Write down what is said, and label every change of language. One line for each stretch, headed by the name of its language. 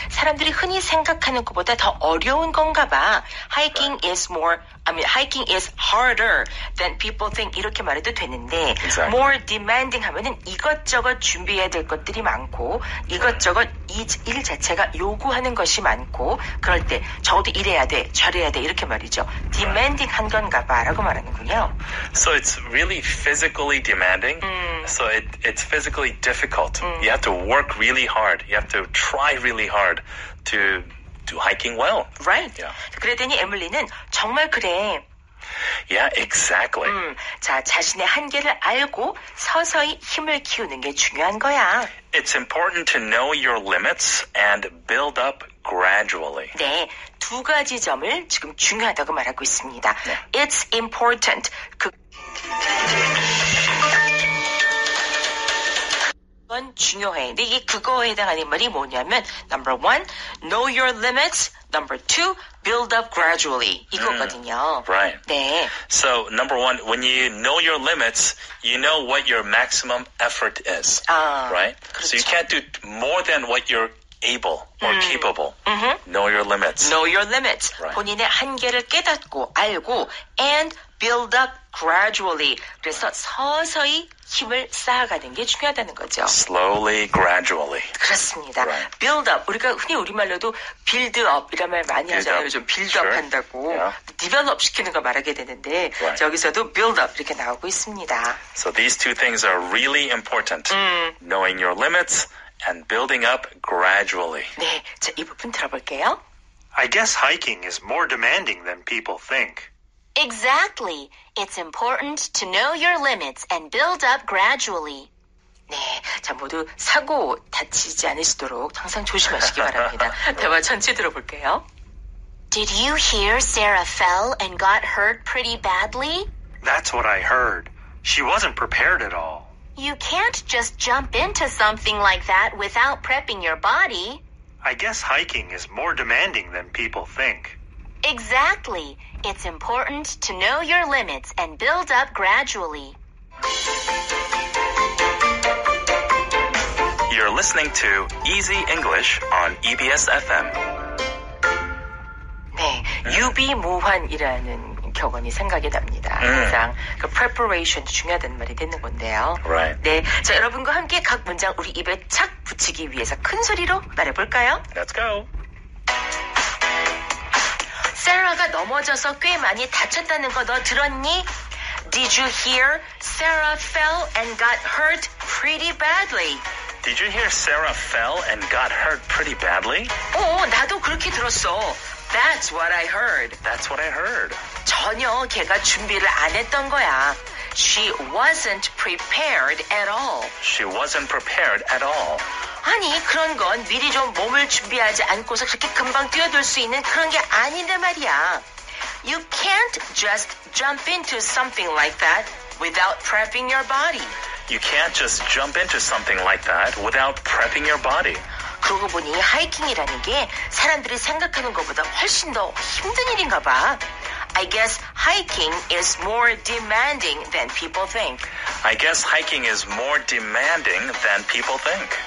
Korean: 사람들이 흔히 생각하는 것보다 더 어려운 건가 봐.
English: Hiking right. is more, I mean, hiking is harder than people think.
Korean: 이렇게 말해도 되는데
English: exactly. more demanding
Korean: 하면은 이것저것 준비해야 될 것들이 많고 이것저것
English: right.
Korean: 일 자체가 요구하는 것이 많고 그럴 때 저도 이래야 돼, 저래야 돼 이렇게 말이죠. Demanding 한 건가 봐 라고 말하는군요.
English: So it's really physically demanding. So it's physically difficult. You have to work really hard. You have to try really hard to do hiking well. Right. Yeah.
Korean: 그랬더니 에밀리는 정말 그래.
English: Yeah, exactly.
Korean: 자, 자신의 한계를 알고 서서히 힘을 키우는 게 중요한 거야.
English: It's important to know your limits and build up gradually.
Korean: 네, 두 가지 점을 지금 중요하다고 말하고 있습니다.
English: Yeah. It's important.
Korean: 그건 중요해. 근데 이게 그거에 해당하는 말이 뭐냐면
English: number one, know your limits. Number two, build up gradually.
Korean: 이거거든요.
English: Right.
Korean: 네.
English: So number one, when you know your limits, you know what your maximum effort is.
Korean: 아,
English: right?
Korean: 그렇죠.
English: So you can't do more than what you're able or capable. Know your limits. Know your limits. Right.
Korean: 본인의 한계를 깨닫고 알고
English: and build up gradually.
Korean: 그래서 서서히 힘을 쌓아가는 게 중요하다는 거죠.
English: Slowly, gradually.
Korean: 그렇습니다.
English: Right. Build up.
Korean: 우리가 흔히 우리말로도 build up 이란 말 많이
English: build
Korean: 하잖아요. 좀 build up
English: sure.
Korean: 한다고.
English: Yeah.
Korean: Develop 시키는 걸 말하게 되는데
English: right.
Korean: 여기서도 build up 이렇게 나오고 있습니다.
English: So these two things are really important. Knowing your limits and building up gradually.
Korean: 네, 자, 이 부분 들어볼게요.
English: I guess hiking is more demanding than people think. Exactly. It's important to know your limits and build up gradually.
Korean: 네, 자 모두 사고 다치지 않으시도록 항상 조심하시기 바랍니다. 대화 전체 들어볼게요.
English: Did you hear Sarah fell and got hurt pretty badly? That's what I heard. She wasn't prepared at all. You can't just jump into something like that without prepping your body. I guess hiking is more demanding than people think. Exactly. It's important to know your limits and build up gradually. You're listening to Easy English on EBS FM.
Korean: 네, 유비무환이라는 격언이 생각이 납니다. 항상 그 preparation 중요하다는 말이 되는 건데요.
English: Right.
Korean: 네, 자 여러분과 함께 각 문장 우리 입에 착 붙이기 위해서 큰 소리로 말해볼까요?
English: Let's go.
Korean: 세라가 넘어져서 꽤 많이 다쳤다는 거 너 들었니?
English: Did you hear Sarah fell and got hurt pretty badly? Did you hear Sarah fell and got hurt pretty badly?
Korean: 오, 나도 그렇게 들었어.
English: That's what I heard. That's what I heard.
Korean: 전혀 걔가 준비를 안 했던 거야.
English: She wasn't prepared at all. She wasn't prepared at all.
Korean: 아니 그런 건 미리 좀 몸을 준비하지 않고서 그렇게 금방 뛰어들 수 있는 그런 게 아닌데 말이야.
English: You can't just jump into something like that without prepping your body. You can't just jump into something like that without prepping your body.
Korean: 그러고 보니 하이킹이라는 게 사람들이 생각하는 것보다 훨씬 더 힘든 일인가 봐.
English: I guess hiking is more demanding than people think. I guess hiking is more demanding than people think.